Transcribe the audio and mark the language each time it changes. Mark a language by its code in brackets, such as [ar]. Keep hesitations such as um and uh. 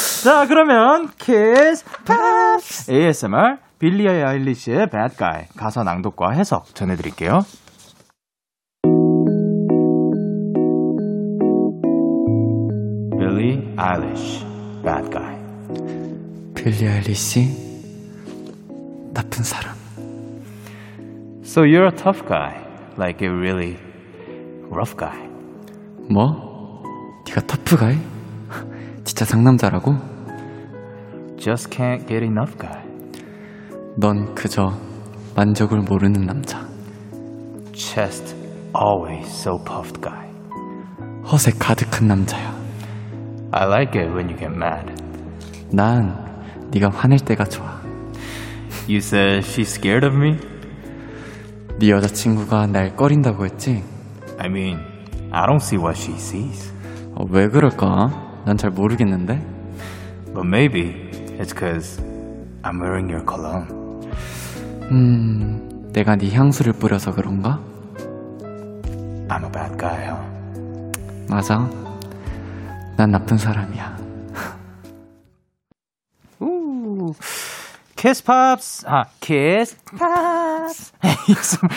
[ko] 자 그러면 kiss pass ASMR 빌리아 아일리시의 bad guy 가사 낭독과 해석 전해드릴게요. 빌리 아일리시 bad guy 빌리 아이리시 나쁜 사람 [en] So you're a tough guy, like a really rough guy. [ko] 뭐? 네가 터프가이? 진짜 상남자라고? [en] Just can't get enough guy. [ko] 넌 그저 만족을 모르는 남자. [en] Chest always so puffed guy. [ko] 허세 가득한 남자야. [en] I like it when you get mad. [ko] 난 네가 화낼 때가 좋아. [en] You said she's scared of me? [ko] 네 여자친구가 날 꺼린다고 했지? [en] I mean, I don't see what she sees. [ko] 어, 왜 그럴까? 난 잘 모르겠는데. [en] But maybe it's cause I'm wearing your cologne. [ko] 음, 내가 네 향수를 뿌려서 그런가? [en] I'm a bad guy. Huh? [ko] 맞아. 난 나쁜 사람이야. 우, 키스팝스, 아, 키스팝. a s